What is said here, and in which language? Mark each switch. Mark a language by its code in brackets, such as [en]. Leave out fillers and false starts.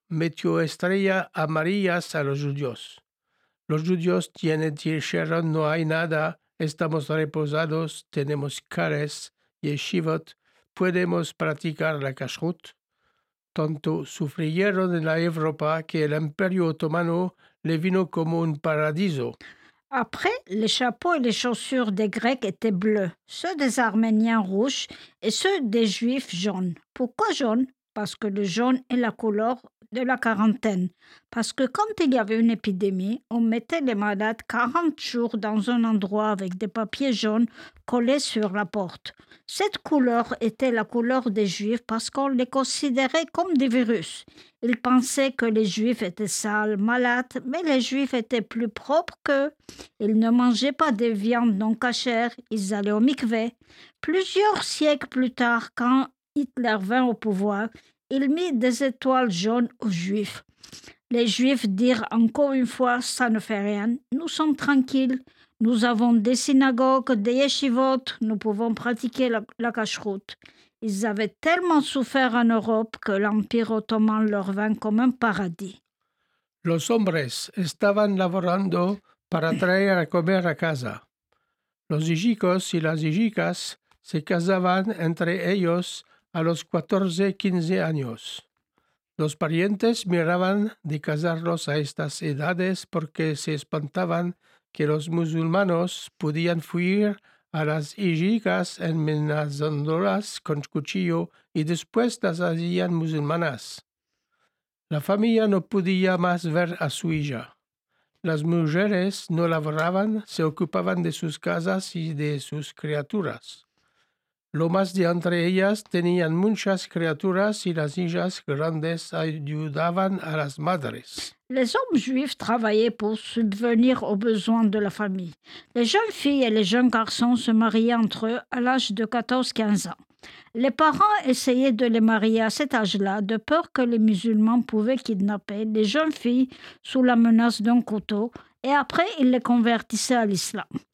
[lad] Metió estrella amarillas a los judíos. Los judíos dijeron, no hay nada, estamos reposados, tenemos kares, yeshivot, podemos practicar la kashrut. Tanto sufrieron en la Europa que el Imperio Otomano le vino como un paraíso. [fr] Après, les chapeaux et les chaussures des Grecs étaient bleus, ceux des Arméniens rouges et ceux des Juifs jaunes. Pourquoi jaunes? Parce que le jaune est la couleur de la quarantaine. Parce que quand il y avait une épidémie, on mettait les malades 40 jours dans un endroit avec des papiers jaunes collés sur la porte. Cette couleur était la couleur des Juifs parce qu'on les considérait comme des virus. Ils pensaient que les Juifs étaient sales, malades, mais les Juifs étaient plus propres qu'eux. Ils ne mangeaient pas de viande non cachère, ils allaient au mikvé. Plusieurs siècles plus tard, quand Hitler vint au pouvoir, il mit des étoiles jaunes aux Juifs. Les Juifs dirent encore une fois, ça ne fait rien, nous sommes tranquilles, nous avons des synagogues, des yeshivot, nous pouvons pratiquer la kashrout. Ils avaient tellement souffert en Europe que l'Empire ottoman leur vint comme un paradis. [lad] Los hombres estaban laborando para traer a comer a casa. Los hijicos y las hijicas se casaban entre ellos a los 14-15 años. Los parientes miraban de casarlos a estas edades porque se espantaban que los musulmanos podían fugir a las hijicas envenenándolas con cuchillo y después las hacían musulmanas. La familia no podía más ver a su hija. Las mujeres no laboraban, se ocupaban de sus casas y de sus criaturas. Lo más de entre ellas tenían muchas criaturas y las hijas grandes ayudaban a las madres. [fr] Les hommes juifs travaillaient pour subvenir aux besoins de la famille. Les jeunes filles et les jeunes garçons se mariaient entre eux à l'âge de 14-15 ans. Les parents essayaient de les marier à cet âge-là de peur que les musulmans pouvaient kidnapper les jeunes filles sous la menace d'un couteau et après ils les convertissaient à l'islam.